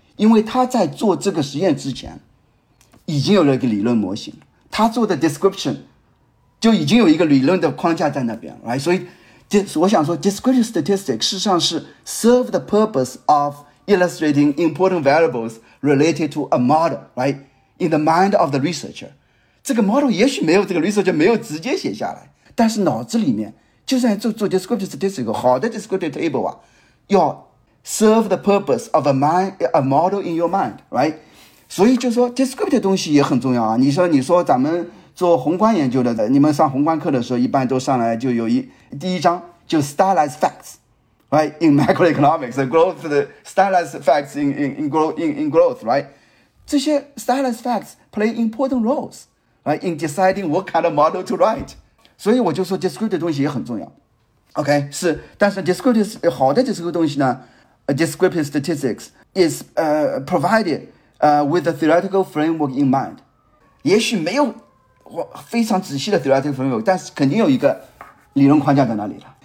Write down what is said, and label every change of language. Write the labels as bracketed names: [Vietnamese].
[Chinese] 因为他在做这个实验之前已经有了一个理论模型，他做的 description 就已经有一个理论的框架在那边了，right？ 所以我想说 descriptive statistics 事实上是 [English] serve the purpose of illustrating important variables related to a model， [Chinese] right？ [English] in the mind of the researcher。 [Chinese] 这个 model 也许没有，这个 researcher 没有直接写下来，但是脑子里面就算做 descriptive statistics， 好的 descriptive table 啊，要 [English] serve the purpose of a model in your mind， [Chinese] right？所以就说 descriptive 的东西也很重要啊。你说咱们做宏观研究的，你们上宏观课的时候一般都上来就有第一章就 stylized facts， right？ [English] in macroeconomics growth， the stylized facts in growth， [Chinese] right？这些 [English] stylized facts play important roles， right？ in deciding what kind of model to write。 [Chinese] 所以我就说 descriptive 的东西也很重要， OK， 是，但是 descriptive 好的 descriptive 东西呢， [English] descriptive statistics is provided with a theoretical framework in mind， [Chinese] 也许没有非常仔细的 [English] theoretical framework， [Chinese] 但是肯定有一个理论框架在那里了。